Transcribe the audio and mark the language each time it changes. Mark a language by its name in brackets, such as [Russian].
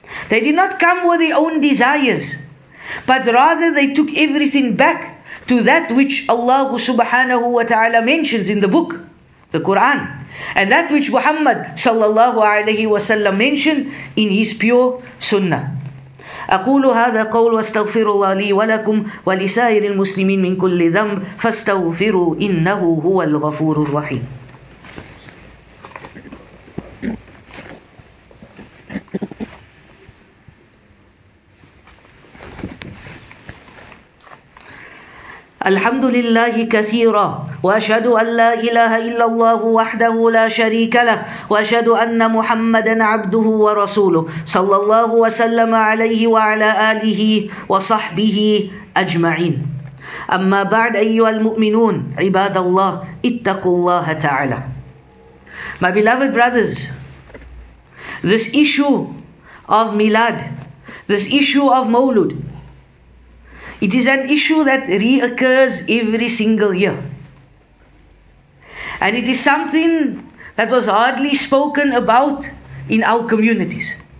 [English] They did not come with their own desires, but rather they took everything back to that which Allah subhanahu wa ta'ala mentions in the book, the Quran, and that which Muhammad sallallahu alayhi wa sallam mentioned in his pure Sunnah. [Arabic] أقول هذا قول واستغفر الله لي ولكم ولسائر المسلمين من كل ذنب فاستغفروا إنه هو الغفور الرحيم. الحمد لله كثيرا وأشهد أن لا إله إلا الله وحده لا شريك له وأشهد أن محمدا عبده ورسوله صلى الله وسلم عليه وعلى آله وصحبه أجمعين. أما بعد أيها المؤمنون عباد الله اتقوا الله تعالى. [English] My beloved brothers, this issue of Milad, this issue of Mawlud, it is an issue that reoccurs every single year. And it is something that was hardly spoken about in our communities.